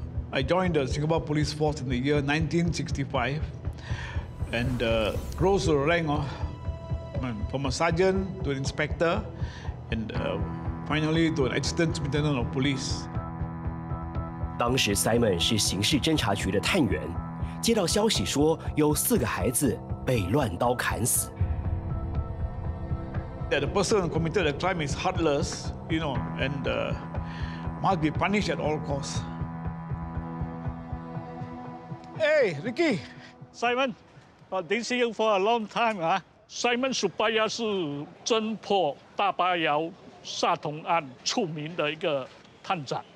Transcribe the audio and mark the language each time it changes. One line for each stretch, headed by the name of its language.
English: I joined the Singapore Police Force in the year 1965 and rose to the rank from a sergeant to an inspector and finally to an assistant superintendent of police.
Chinese: 当时 Simon 是刑事侦查局的探员，接到消息说有4个孩子被乱刀砍死。
English: That the person committed the crime is heartless, you know, and must be punished at all costs. Hey, Ricky. Simon, I didn't see you for a long time.
Chinese: Huh? Simon Supaya is 侦破大巴窑杀童案出名的一个探长。